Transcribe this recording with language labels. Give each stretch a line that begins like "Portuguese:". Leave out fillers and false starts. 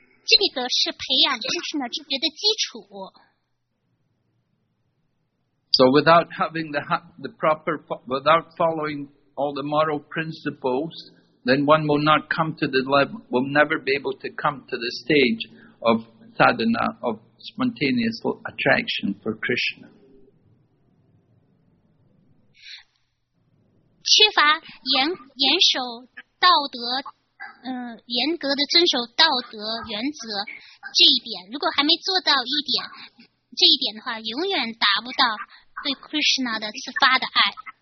Chinese: 这个是培养知识呢知觉的基础。
English: So without having the proper, without following all the moral principles, then one will not come to the level, will never be able to come to the stage of sadhana, of spontaneous attraction for Krishna.
Chinese: 缺乏严守道德，严格的遵守道德原则这一点，如果还没做到一点，这一点的话，永远达不到对 Krishna 的自发的爱。